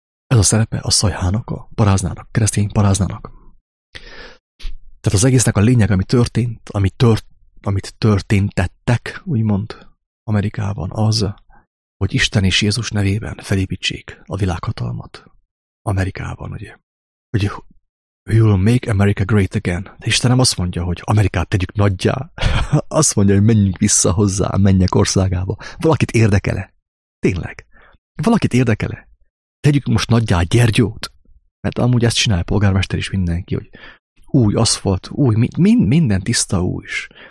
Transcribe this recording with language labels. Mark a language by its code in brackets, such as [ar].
[hu] Ez a szerepe a szajhának, a paráznának, a keresztény paráznának. Tehát az egésznek a lényeg, ami történt, amit történtettek, úgymond Amerikában, az, hogy Isten és Jézus nevében felépítsék a világhatalmat Amerikában, ugye. Hogy [en] we will make America great again. [hu] De Isten nem azt mondja, hogy Amerikát tegyük nagyjá. Azt mondja, hogy menjünk vissza hozzá, menjek országába. Valakit érdekele? Tényleg. Valakit érdekele? Tegyük most nagyjá Gyergyót? Mert amúgy ezt csinálja a polgármester is mindenki, hogy új aszfalt, új, minden tiszta új is.